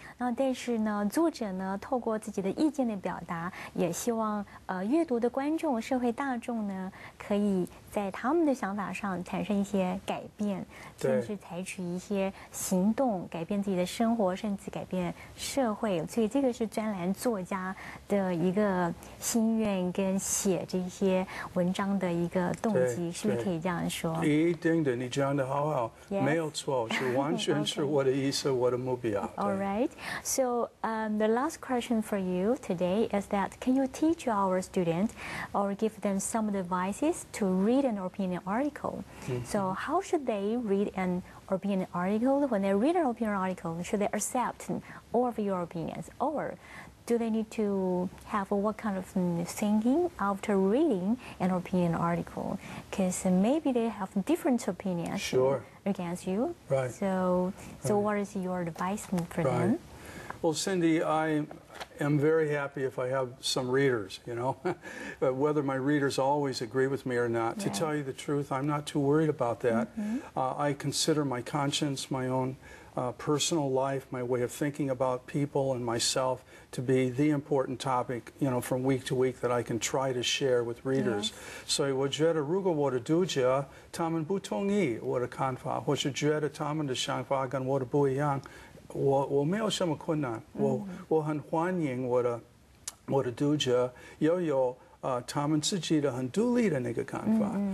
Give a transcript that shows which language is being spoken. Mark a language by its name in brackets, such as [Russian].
[Chinese] 那但是呢，作者呢透过自己的意见的表达，也希望阅读的观众、社会大众呢，可以在他们的想法上产生一些改变，甚至采取一些行动改变自己的生活，甚至改变社会。所以这个是专栏作家的一个心愿跟写这些文章的一个动机，是不是可以这样说？一定的，你讲得好好，没有错，是完全是我的意思，我的目标。 [English] All right. So, the last question for you today is that can you teach our students or give them some advices to read an opinion article? So, how should they read an opinion article? When they read an opinion article, should they accept all of your opinions or do they need to have what kind of thinking after reading an opinion article? Because maybe they have different opinions against you. Right. So what is your advice for them? Well, Cindy, I am very happy if I have some readers, you know. But whether my readers always agree with me or not, to tell you the truth, I'm not too worried about that. I consider my conscience, my own personal life, my way of thinking about people and myself to be the important topic, you know, from week to week that I can try to share with readers. [Chinese] So, 我觉得如果我的读者他们不同意我的看法，或是觉得他们的想法跟我的不一样，我没有什么困难。我很欢迎我的读者有他们自己的很独立的那个看法。